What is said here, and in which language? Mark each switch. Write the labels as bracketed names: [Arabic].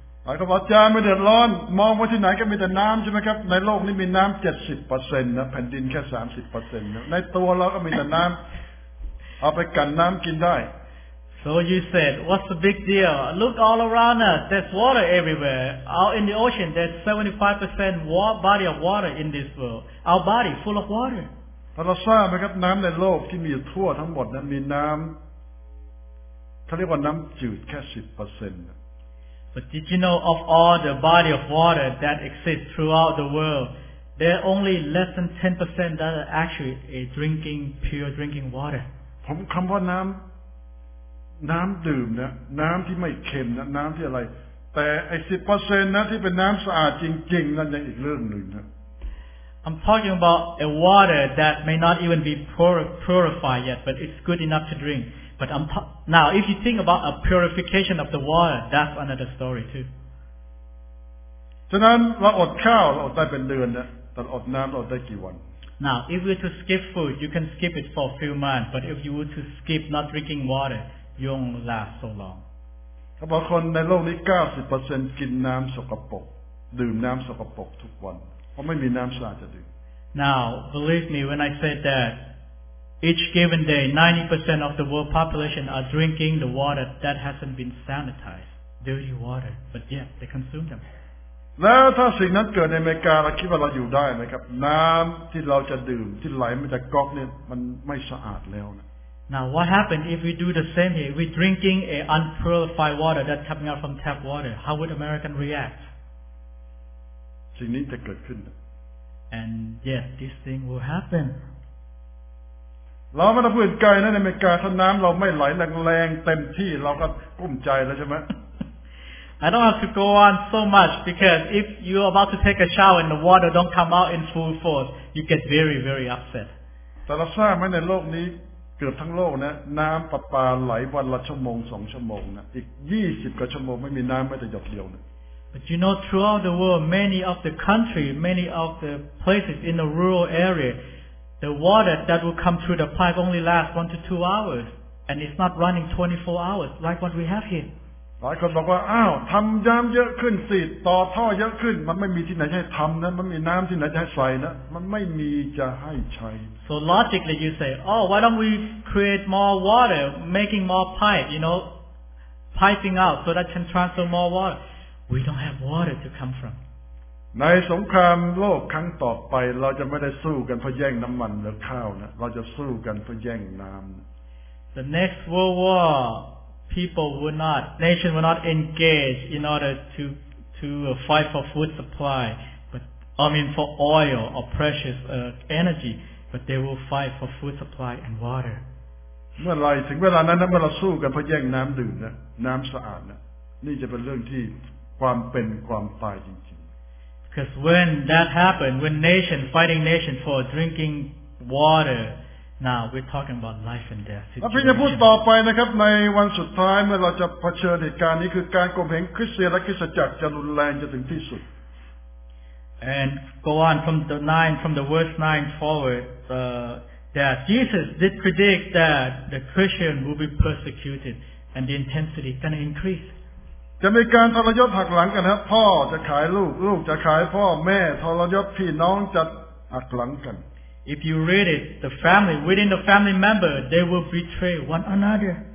[Thai] หมายความว่าใจไม่เดือดร้อนมองไปที่ไหนก็มีแต่น้ำใช่ไหมครับในโลกนี้มีน้ำ 70% นะแผ่นดินแค่ 30% นะในตัวเราก็มีแต่น้ำเอาไปกันน้ำกินได้ [English] So you said, what's the big deal? Look all around us, there's water everywhere. Out in the ocean, there's 75% body of water in this world. Our body full of water. [Thai] พอเราทราบไหมครับน้ำในโลกที่มีอยู่ทั่วทั้งหมดนั้นมีน้ำถ้าเรียกว่าน้ำจืดแค่ 10% [English] But did you know of all the body of water that exists throughout the world, there are only less than 10% that are actually drinking, pure drinking water. [Thai] ผมคำว่าน้ำดื่มนะน้ำที่ไม่เค็มนะน้ำที่อะไรแต่ไอ้ 10% นะที่เป็นน้ำสะอาดจริงๆนั่นยังอีกเรื่องหนึ่งนะ [English] I'm talking about a water that may not even be purified yet but it's good enough to drink but now if you think about a purification of the water that's another story too [Thai] ฉะนั้นเราอดข้าวเราอดได้เป็นเดือนนะแต่อดน้ำเราได้กี่วัน [English] Now, if you were to skip food, you can skip it for a few months. But if you were to skip not drinking water, you won't last so long. [Thai] ถ้าบางคนในโลกนี้ 90% กินน้ำสกปรกดื่มน้ำสกปรกทุกวันเพราะไม่มีน้ำสะอาดจะดื่ม [English] Now, believe me when I say that each given day, 90% of the world population are drinking the water that hasn't been sanitized, dirty water. But yet, they consume them. [Thai] แล้วถ้าสิ่งนั้นเกิดในอเมริกาเราคิดว่าเราอยู่ได้ไหมครับน้ำที่เราจะดื่มที่ไหลมาจากก๊อกเนี่ยมันไม่สะอาดแล้วนะ [English] Now what happened if we do the same here we drinking a unpurified water that coming out from tap water how would American react [Thai] สิ่งนี้จะเกิดขึ้น [English] And yes this thing will happen [Thai] เราไม่ต้องพูดไกลนะในอเมริกาถ้าน้ำเราไม่ไหลแรงๆเต็มที่เราก็กุ้มใจแล้วใช่ไหม [English] I don't have to go on so much because if you're about to take a shower and the water don't come out in full force, you get very, very upset. [Thai] แต่เราทราบไหมในโลกนี้เกือบทั้งโลกนะน้ำประปาไหลวันละชั่วโมง2ชั่วโมงนะอีก20กว่าชั่วโมงไม่มีน้ำแม้แต่หยดเดียวนะ [English] But you know, throughout the world, many of the country, many of the places in the rural area, the water that will come through the pipe only lasts 1 to 2 hours, and it's not running 24 hours like what we have here. [Thai] หลายคนบอกว่าอ้าวทำน้ำเยอะขึ้นสิต่อท่อเยอะขึ้นมันไม่มีที่ไหนให้ทำนะมันมีน้ำที่ไหนให้ใส่นะมันไม่มีจะให้ใช้ [English] So logically you say oh why don't we create more water making more pipe you know piping out so that can transfer more water we don't have water to come from [Thai] ในสงครามโลกครั้งต่อไปเราจะไม่ได้สู้กันเพราะแย่งน้ำมันหรือข้าวนะเราจะสู้กันเพราะแย่งน้ำ [English] The next world warPeople will not, nation will not engage in order to fight for food supply, for oil or precious energy, but they will fight for food supply and water. [Thai] เมื่อไรถึงเวลานั้นเมื่อเราสู้กันเพราะแย่งน้ำดื่มนะน้ำสะอาดนะนี่จะเป็นเรื่องที่ความเป็นความตายจริง [English] ๆ Because when that happened, when nation fighting nation for drinking water,Now we're talking about life and death. [Thai] เราจะพูดต่อไปนะครับในวันสุดท้ายเมื่อเราจะเผชิญเหตุการณ์นี้คือการโกงเหงคริสเตียนและคริสตจักรจะรุนแรงจะถึงที่สุด [English] And go on from the 9 from the verse 9 forward that Jesus did predict that the Christian will be persecuted and the intensity gonna increase. [Thai] จะมีการทรยศหักหลังกันครับพ่อจะขายลูกลูกจะขายพ่อแม่ทรยศพี่น้องจะหักหลังกัน [English] If you read it, the family, within the family member, they will betray one another.